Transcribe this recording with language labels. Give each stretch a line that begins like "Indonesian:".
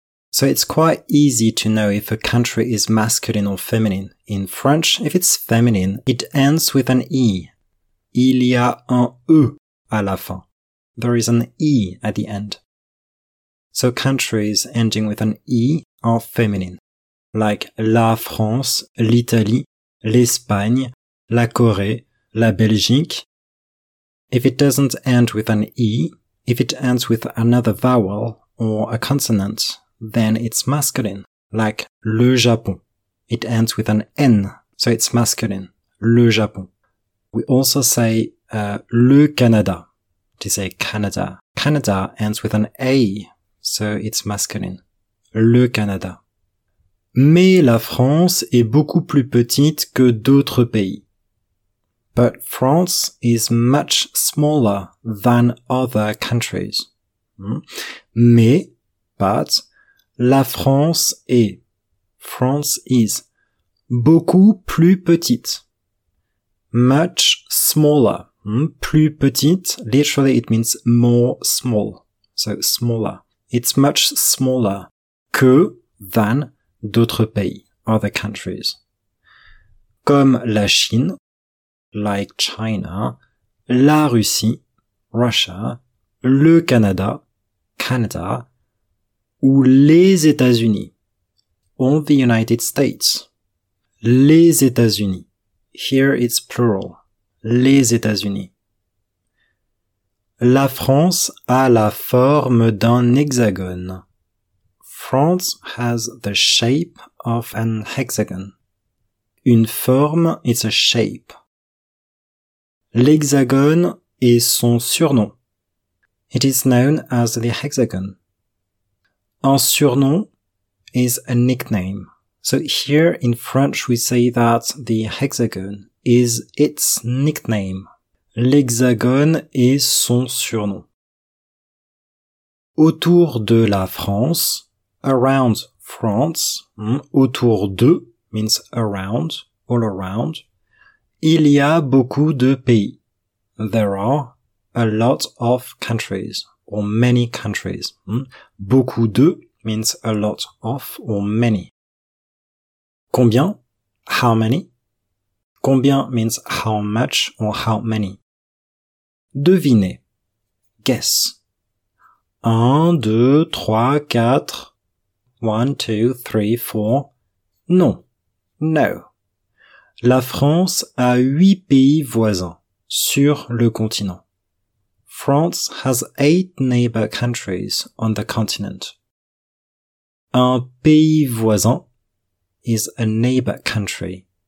English: So it's quite easy to know if a country is masculine or feminine. In French, if it's feminine, it ends with an E.
French: Il y a un E à la fin.
English: There is an E at the end. So countries ending with an E are feminine. Like la France, l'Italie, l'Espagne, la Corée, la Belgique. If it doesn't end with an E, if it ends with another vowel or a consonant, then it's masculine, like le Japon. It ends with an N, so it's masculine, le Japon. We also say le Canada, to say Canada. Canada ends with an A, so it's masculine, le Canada.
French: Mais la France est beaucoup plus petite que d'autres pays.
English: But France is much smaller than other countries. But
French: la France est,
English: France is,
French: beaucoup plus petite.
English: Much smaller. Plus petite, literally it means more small, so smaller. It's much smaller que than
French: d'autres pays,
English: other countries.
French: Comme la Chine,
English: like China,
French: la Russie, Russia, le Canada, Canada, ou les États-Unis,
English: or the United States. Les États-Unis. Here it's plural. Les États-Unis.
French: La France a la forme d'un hexagone.
English: France has the shape of an hexagon. Une forme, it's a shape.
French: L'hexagone est son surnom.
English: It is known as the hexagon. Un surnom is a nickname. So here in French we say that the hexagon is its nickname.
French: L'hexagone est son surnom. Autour de la France,
English: around France,
French: autour de
English: means around, all around,
French: il y a beaucoup de pays.
English: There are a lot of countries or many countries. Beaucoup de means a lot of or many. Combien? How many? Combien means how much or how many. Devinez. Guess. 1, 2, 3, 4. 1, 2, 3, 4. Non. No.
French: La France a 8 pays voisins sur le continent.
English: France has 8 neighbor countries on the continent. Un pays voisin is a neighbor country.